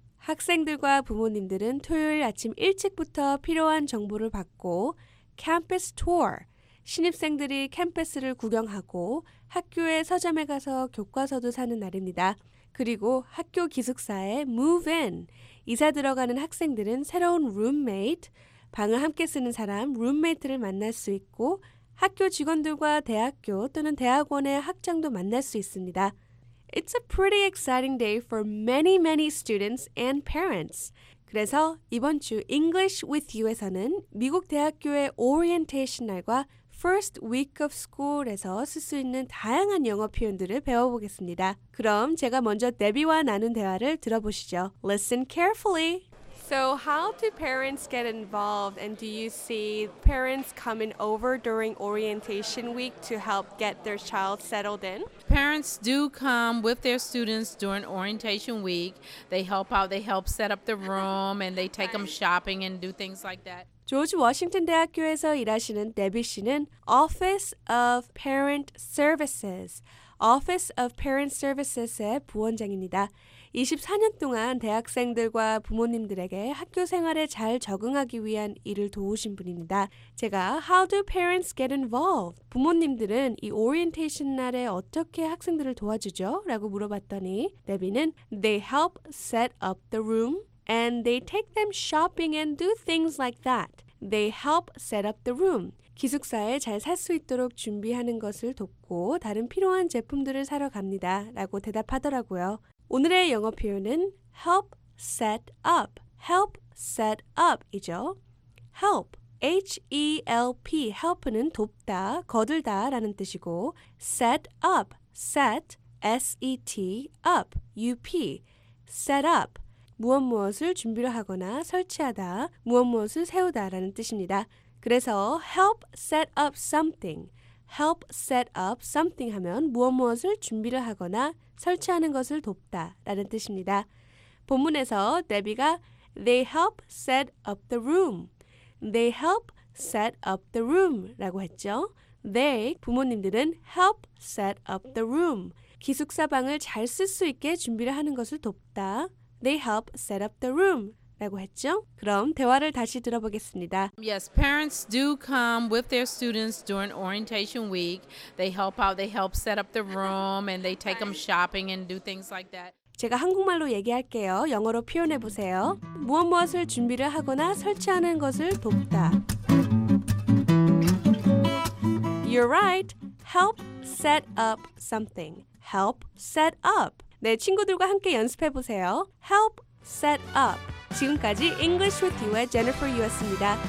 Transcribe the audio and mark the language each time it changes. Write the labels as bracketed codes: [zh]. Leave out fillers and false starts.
[ko] 학생들과 부모님들은 토요일 아침 일찍부터 필요한 정보를 받고 캠퍼스 투어, 신입생들이 캠퍼스를 구경하고 학교의 서점에 가서 교과서도 사는 날입니다. 그리고 학교 기숙사에 [en] move in, [ko] 이사 들어가는 학생들은 새로운 룸메이트, 방을 함께 쓰는 사람 룸메이트를 만날 수 있고 학교 직원들과 대학교 또는 대학원의 학장도 만날 수 있습니다. [en] It's a pretty exciting day for many, many students and parents. [ko] 그래서 이번 주 English with You에서는 미국 대학교의 Orientation 날과 First Week of School에서 쓸 수 있는 다양한 영어 표현들을 배워보겠습니다. 그럼 제가 먼저 데비와 나눈 대화를 들어보시죠. [en] Listen carefully. So how do parents get involved and do you see parents coming over during orientation week to help get their child settled in? Parents do come with their students during orientation week. They help out, they help set up the room and they take them shopping and do things like that. [ko] 조지 워싱턴 대학교에서 일하시는 데비 씨는 Office of Parent Services, Office of Parent Services의 부원장입니다. 24년 동안 대학생들과 부모님들에게 학교 생활에 잘 적응하기 위한 일을 도우신 분입니다. 제가 [en] How do parents get involved? [ko] 부모님들은 이 오리엔테이션 날에 어떻게 학생들을 도와주죠? 라고 물어봤더니 데비는 [en] They help set up the room and they take them shopping and do things like that. They help set up the room. [ko] 기숙사에 잘 살 수 있도록 준비하는 것을 돕고 다른 필요한 제품들을 사러 갑니다. 라고 대답하더라고요. 오늘의 영어 표현은 help set up, help set up이죠. help, H-E-L-P, help는 돕다, 거들다 라는 뜻이고 set up, set, S-E-T, up, U-P, set up, 무엇 무엇을 준비를 하거나 설치하다, 무엇 무엇을 세우다 라는 뜻입니다. 그래서 help set up something, help set up something 하면 무엇 무엇을 준비를 하거나 설치하는 것을 돕다 라는 뜻입니다. 본문에서 데비가 [en] They help set up the room. They help set up the room [ko] 라고 했죠. [en] They, [ko] 부모님들은 [en] help set up the room. [ko] 기숙사 방을 잘 쓸 수 있게 준비를 하는 것을 돕다. [en] They help set up the room. [ko] 라고 했죠? 그럼 대화를 다시 들어보겠습니다. [en] Yes, parents do come with their students during orientation week. They help out, they help set up the room and they take them shopping and do things like that. [ko] 제가 한국말로 얘기할게요. 영어로 표현해 보세요. 무엇 무엇을 준비를 하거나 설치하는 것을 돕다. [en] You're right. Help set up something. Help set up. [ko] 네, 친구들과 함께 연습해 보세요. [en] Help set up. [ko] 지금까지 English with You의 Jennifer Yu였습니다.